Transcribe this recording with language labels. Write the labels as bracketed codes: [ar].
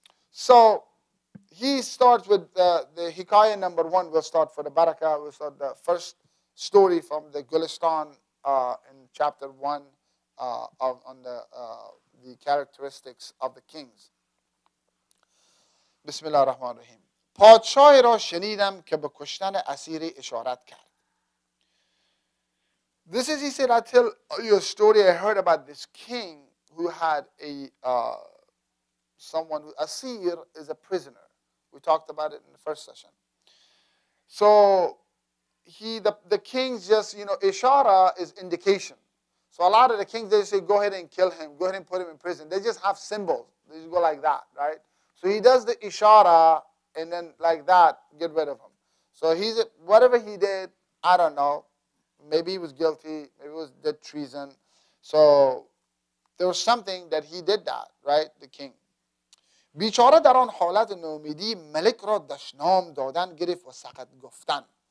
[en] So he starts with the Hikayah number one. We'll start for the Barakah. We'll start the first story from the Gulistan in chapter one on the characteristics of the kings. [fa] بسم الله الرحمن الرحیم پادشاه را شنیدم که به کشتن اسیر اشارت کرد. [en] This is, he said, I tell you a story. I heard about this king who had asir is a prisoner. We talked about it in the first session. So the king's just, you know, ishara is indication. So a lot of the kings, they say, go ahead and kill him, go ahead and put him in prison. They just have symbols. They just go like that, right? So he does the ishara, and then like that, get rid of him. So he's whatever he did, I don't know. Maybe he was guilty. Maybe it was dead treason. So there was something that he did that, right? The king. [fa] بیچاره در آن حالت نومیدی ملک را دشنام دادن گرفت و سقط گفتن.